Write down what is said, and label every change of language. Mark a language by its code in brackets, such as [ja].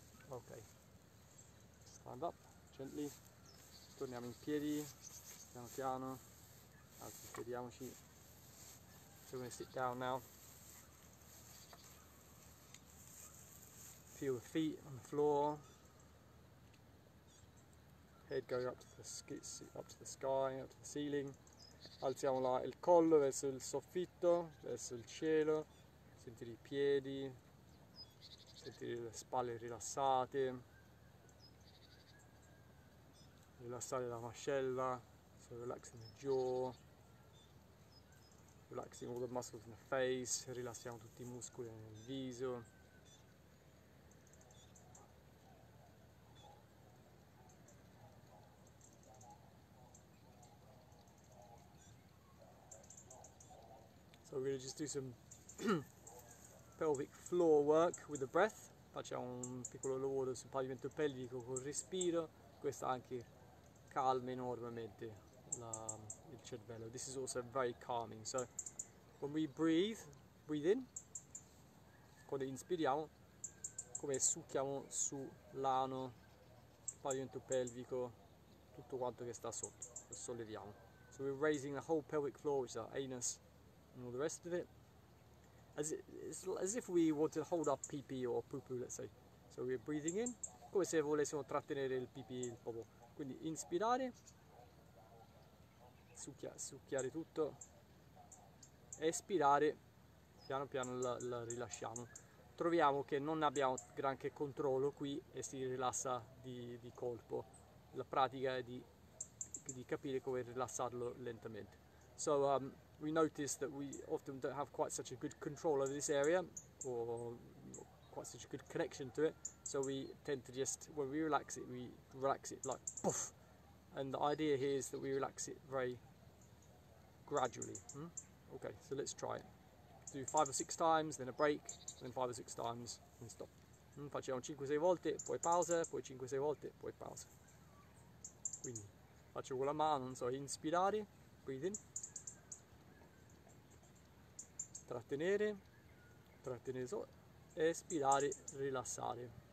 [en] Okay. Stand up gently. [it] Torniamo in piedi. Piano piano. Sediamoci. [en] So we're going to sit down now. Feel the feet on the floor. Head going up to the sky, up to the ceiling. [it] Alziamo là il collo verso il soffitto, verso il cielo. Sentire i piedi, sentire le spalle rilassate, rilassare la mascella, [en] so relaxing the jaw, relaxing all the muscles in the face, [it] rilassiamo tutti i muscoli nel viso. [en] So we're gonna just do some pelvic floor work with the breath. [it] Facciamo un piccolo lavoro sul pavimento pelvico col respiro. Questo anche calma enormemente il cervello. [en] This is also very calming. So when we breathe in, [it] quando inspiriamo, come succhiamo su l'ano, pavimento pelvico, tutto quanto che sta sotto, lo solleviamo. [en] So we're raising the whole pelvic floor, which is our anus, and all the rest of it. As if we want to hold up pee pee or poo poo, let's say. So we're breathing in, [it] come se volessimo trattenere il pipì, il popò. Quindi inspirare, succhiare tutto, espirare, piano piano la rilasciamo. Troviamo che non abbiamo granché controllo qui e si rilassa di colpo. La pratica è di capire come rilassarlo lentamente. [en] So we notice that we often don't have quite such a good control over this area, or quite such a good connection to it, so we tend to just, when we relax it like poof, and the idea here is that we relax it very gradually. Okay, so let's try it. Do 5 or 6 times, then a break, then 5 or 6 times, and stop. [it] Facciamo 5 o 6 volte, poi pausa, poi 5 o 6 volte, poi pausa. Quindi, faccio con la mano, non so, inspirare, [en] breathe in, [it] trattenere solo, espirare, rilassare.